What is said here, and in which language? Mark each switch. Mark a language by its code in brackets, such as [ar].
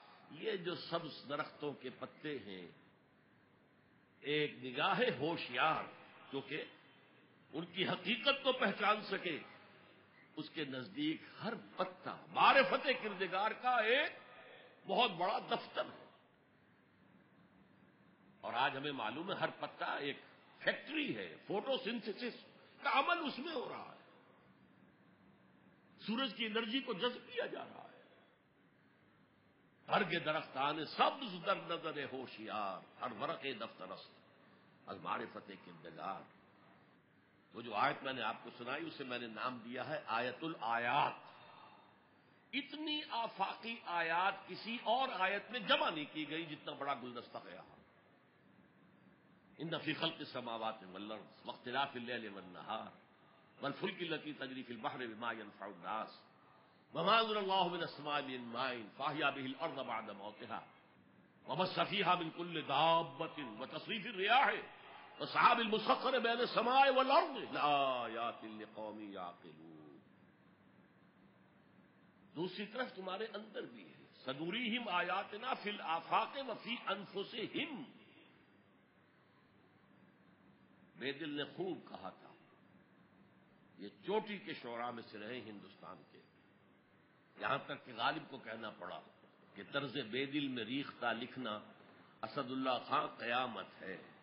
[ur] یہ جو سبز درختوں کے پتے ہیں، ایک نگاہ ہوشیار جو کہ ان کی حقیقت کو پہچان سکے، اس کے نزدیک ہر پتا معرفت کردگار کا ایک بہت بڑا دفتر ہے. اور آج ہمیں معلوم ہے ہر پتا ایک فیکٹری ہے، فوٹو سنتھسس کا عمل اس میں ہو رہا ہے، سورج کی انرجی کو جذب کیا جا رہا ہے. [fa] برگ درختان سبز در نظر ہوشیار، ہر ورق دفترست از معرفت کردگار. [ur] تو جو آیت میں نے آپ کو سنائی، اسے میں نے نام دیا ہے آیت الآیات. اتنی آفاقی آیات کسی اور آیت میں جمع نہیں کی گئی جتنا بڑا گلدستہ گیا. [ar] ان فی خلق السماوات والارض واختلاف الليل والنهار والفلك التي تجري في البحر بما ينفع الناس وما انزل الله من السماء من ماء فاحيا به الارض بعد موتها وبث فيها من كل دابه وتصريف الرياح وسحاب المسخر بين السماء والارض لآيات لقوم يعقلون. [ur] دوسری طرف تمہارے اندر بھی ہے، [ar] سنوریہم آیاتنا فی الافاق وفی انفسہم. [ur] بیدل نے خوب کہا تھا، یہ چوٹی کے شعرا میں سے رہے ہندوستان کے، یہاں تک کہ غالب کو کہنا پڑا کہ طرز بیدل میں ریختہ لکھنا اسد اللہ خان قیامت ہے.